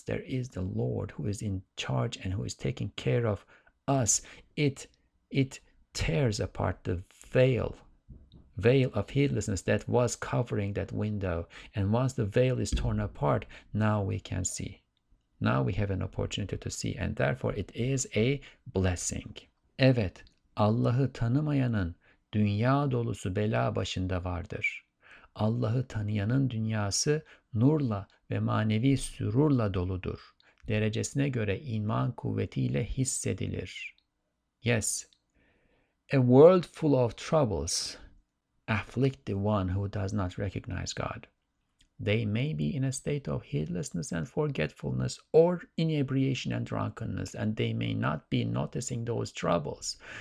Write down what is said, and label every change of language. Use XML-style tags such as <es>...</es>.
<en>There is the Lord who is in charge and who is taking care of us. It tears apart the veil veil of heedlessness that was covering that window. And once the veil is torn apart, now we can see. Now we have an opportunity to see, and therefore it is a blessing.</en> <tr>Evet, Allah'ı tanımayanın dünya dolusu bela başında vardır. Allah'ı tanıyanın dünyası nurla ve manevi sürurla doludur. Derecesine göre iman kuvvetiyle hissedilir.</tr> <en>Yes. A world full of troubles afflict the one who does not recognize God. They may be in a state of heedlessness and forgetfulness or inebriation and drunkenness, and they may not be noticing those troubles.</en>